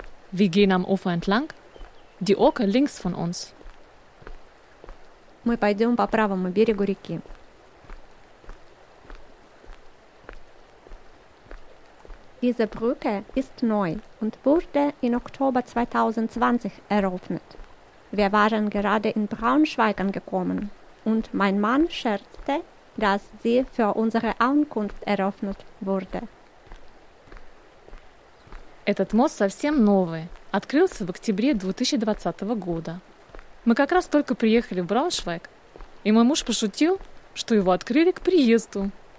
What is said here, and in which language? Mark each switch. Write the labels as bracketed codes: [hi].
[de] Wir gehen am Ufer entlang, die Oke links von uns. [ru] Мы пойдем по правому берегу реки. [de] Diese Brücke ist neu und wurde in Oktober 2020 eröffnet. Wir waren gerade in Braunschweig angekommen und mein Mann scherzte, dass sie für unsere Ankunft eröffnet wurde. [ru] Этот мост совсем новый. Открылся в октябре 2020 года. Мы как раз только приехали в Брауншвайг, и мой муж пошутил, что его открыли к приезду.